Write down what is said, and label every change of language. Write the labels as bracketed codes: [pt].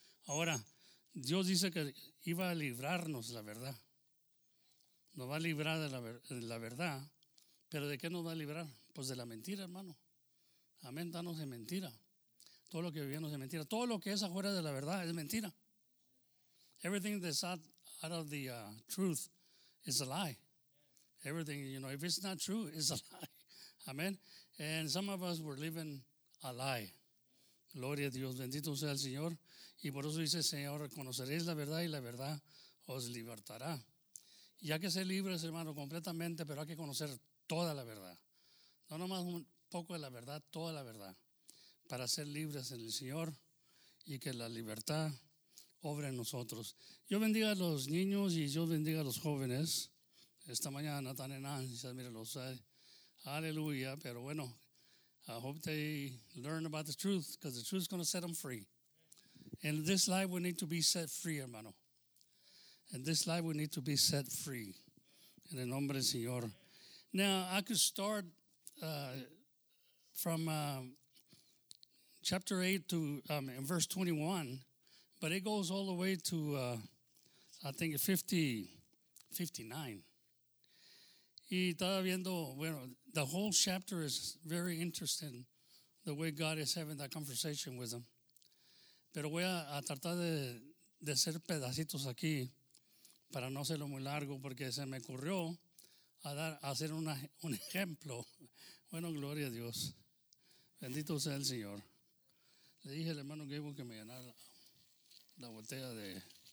[es] Ahora, Dios dice que iba a librarnos la verdad. Nos va a librar de la verdad. ¿Pero de qué nos va a librar? Pues de la mentira, hermano. Amén, danos de mentira. Todo lo que vivimos es mentira. Todo lo que es afuera de la verdad es mentira. [en] Everything that's out of the truth is a lie. Everything, you know, if it's not true, it's a lie. Amén. And some of us were living a lie. [es] Gloria a Dios, bendito sea el Señor. Y por eso dice, Señor, conoceréis la verdad y la verdad os libertará. Y hay que ser libres, hermano, completamente, pero hay que conocer toda la verdad. No nomás un poco de la verdad, toda la verdad. Para ser libres en el Señor y que la libertad obre en nosotros. Yo bendiga a los niños y yo bendiga a los jóvenes. Esta mañana están en ansias, mírenlos. Aleluya, pero bueno. [en] I hope they learn about the truth, because the truth is going to set them free. In this life, we need to be set free, hermano. In this life, we need to be set free. [es] En el nombre del Señor. [en] Now, I could start from chapter 8 to in verse 21, but it goes all the way to, I think, 59. [es] Y estaba viendo, bueno, [en] the whole chapter is very interesting, the way God is having that conversation with him. [es] Pero voy a tratar de hacer pedacitos aquí para no hacerlo muy largo porque se me ocurrió hacer un ejemplo. Bueno, gloria a Dios. Bendito sea el Señor. Le dije al hermano Gabriel que me llenara la botella de...